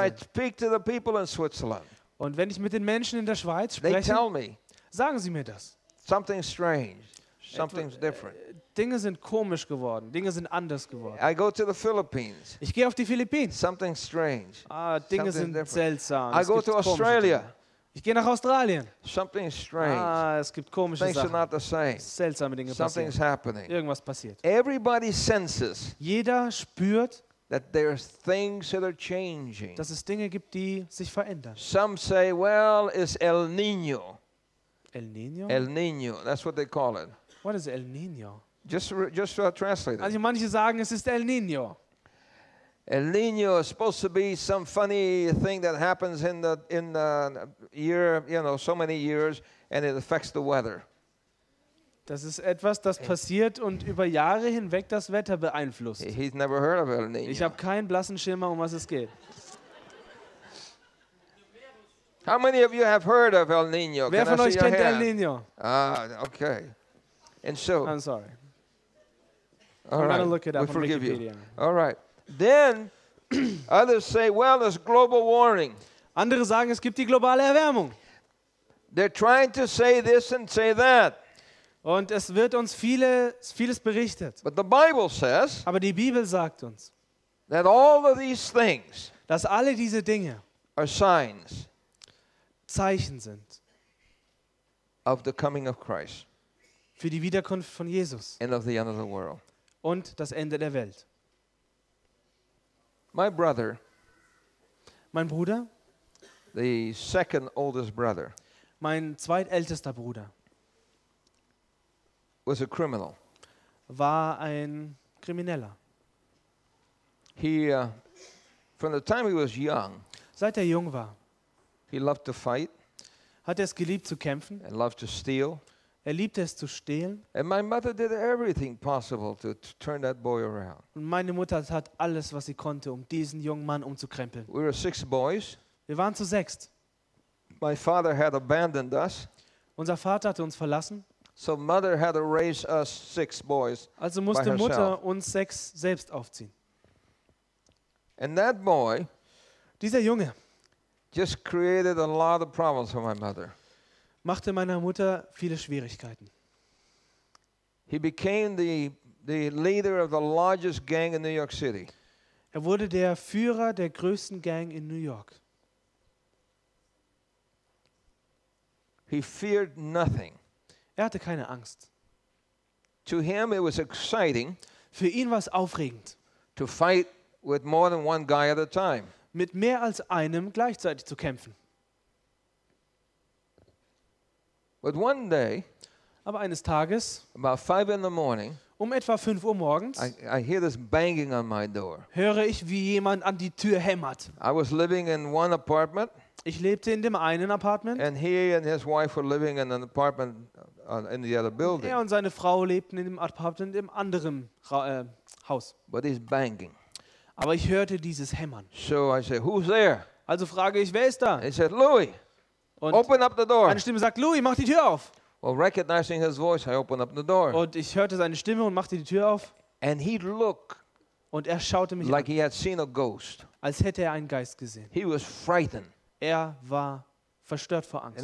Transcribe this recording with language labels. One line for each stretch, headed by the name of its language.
English: And as I speak to the people in Switzerland.
German: Und wenn ich mit den Menschen in der Schweiz spreche,
English: they tell me,
German: sagen sie mir das.
English: Something strange. Something's different.
German: Dinge sind komisch geworden. Dinge sind anders geworden.
English: I go to the Philippines.
German: Ich gehe auf die Philippinen.
English: Something strange.
German: Ah, Dinge sind seltsam.
English: I go to Australia.
German: Ich gehe nach Australien.
English: Something strange.
German: Ah, es gibt komische
English: Things
German: Sachen.
English: Are not the same.
German: Seltsame Dinge
English: Something's
German: passieren.
English: Happening.
German: Irgendwas passiert.
English: Everybody senses.
German: Jeder spürt,
English: that there are things that are changing.
German: Dass es Dinge gibt, die sich verändern.
English: Some say, well, it's El Niño. El Niño. El Niño. That's what they call it. What is El Niño? Just translate it.
German: Also manche sagen, es ist El Niño.
English: El Niño is supposed to be some funny thing that happens in the year, you know, so many years, and it affects the weather.
German: Das ist etwas, das passiert und über Jahre hinweg das Wetter beeinflusst.
English: He's never heard of El Niño.
German: Ich habe keinen blassen Schimmer, um was es geht.
English: How many of you have heard of El Niño?
German: Wer von euch kennt El Niño?
English: Ah, okay. And so. I'm sorry. All right. I'm gonna look it up on Wikipedia. All right. Then others say, well, there's global warming.
German: Andere sagen, es gibt die globale Erwärmung.
English: They're trying to say this and say that.
German: Und es wird uns vieles berichtet.
English: But the Bible says.
German: Aber die Bibel sagt uns.
English: That all of these things.
German: Dass alle diese Dinge.
English: Are signs.
German: Zeichen sind.
English: Of the coming of Christ.
German: Für die Wiederkunft von Jesus.
English: And of the end of the world.
German: Und das Ende der Welt.
English: My brother,
German: mein Bruder,
English: the second oldest brother,
German: mein zweitältester Bruder,
English: was a criminal.
German: War ein Krimineller.
English: From the time he was young,
German: seit er jung war,
English: he loved to fight,
German: hat es geliebt zu kämpfen,
English: and loved to steal.
German: Er liebte es zu stehlen.
English: And my mother did everything possible to turn that boy around.
German: Und meine Mutter tat alles, was sie konnte, um diesen jungen Mann umzukrempeln.
English: We were six boys.
German: Wir waren zu sechst.
English: My father had abandoned us.
German: Unser Vater hatte uns verlassen.
English: So mother had to raise us six boys.
German: Also musste Mutter uns sechs selbst aufziehen.
English: And that boy,
German: dieser Junge,
English: just created a lot of problems for my mother.
German: Machte meiner Mutter viele Schwierigkeiten.
English: He became the leader of the largest gang in New York City.
German: Er wurde der Führer der größten Gang in New York.
English: He feared nothing.
German: Er hatte keine Angst.
English: To him it was exciting.
German: Für ihn war es aufregend.
English: To fight with more than one guy at a time.
German: Mit mehr als einem gleichzeitig zu kämpfen.
English: But one day,
German: aber eines Tages,
English: about 5 in the morning,
German: um etwa 5 Uhr morgens,
English: I hear this banging on my door.
German: Höre ich, wie jemand an die Tür hämmert.
English: I was living in one apartment.
German: Ich lebte in dem einen Apartment.
English: And he and his wife were living in an apartment in the other building.
German: Er und seine Frau lebten in dem Apartment im anderen Haus.
English: But he's banging.
German: Aber ich hörte dieses Hämmern.
English: So I say, who's there?
German: Also frage ich, wer ist da?
English: He said, Louis.
German: Und
English: open up the door.
German: Eine Stimme sagt, Louis, mach die Tür auf.
English: Well, recognizing his voice, I opened up the door.
German: Und ich hörte seine Stimme und machte die Tür auf.
English: And he looked.
German: Und er schaute mich
English: like
German: an.
English: Like he had seen a ghost.
German: Als hätte er einen Geist gesehen.
English: He was frightened.
German: Er war verstört vor Angst.